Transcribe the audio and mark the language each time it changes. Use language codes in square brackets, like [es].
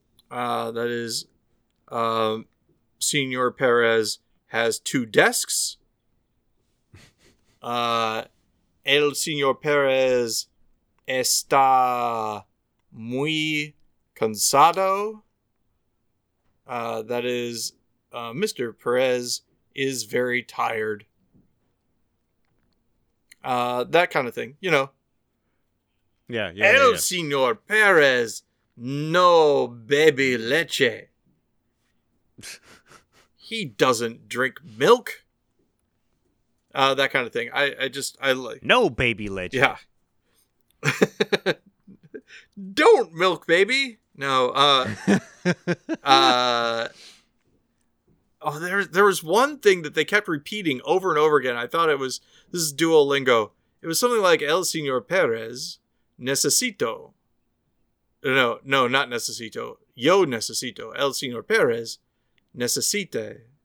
[en] That is, Señor Pérez has two desks. [es] El Señor Pérez está muy cansado. [en] That is, Mr. Perez is very tired. That kind of thing, you know. Yeah. [es] Señor Perez, no baby leche. [en] He doesn't drink milk. That kind of thing. I like. [es] No baby leche. [en] Yeah. Don't milk baby. No, there was one thing that they kept repeating over and over again. I thought it was, this is Duolingo. It was something like, [es] El Señor Pérez, necesito. [en] No, not [es] necesito. Yo necesito. El Señor Pérez, necesita?